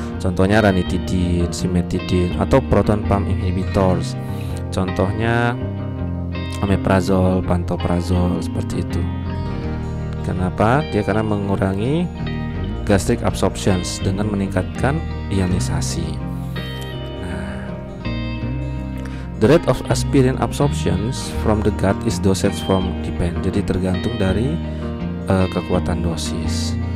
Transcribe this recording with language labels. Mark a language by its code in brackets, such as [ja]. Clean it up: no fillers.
[id] Contohnya ranitidin, simetidin, atau proton pump inhibitors. Contohnya omeprazol, pantoprazol, seperti itu. Kenapa? Dia karena mengurangi gastric absorptions dengan meningkatkan ionisasi. [en] Nah, the rate of aspirin absorptions from the gut is dosage from depend. [id] Jadi tergantung dari kekuatan dosis.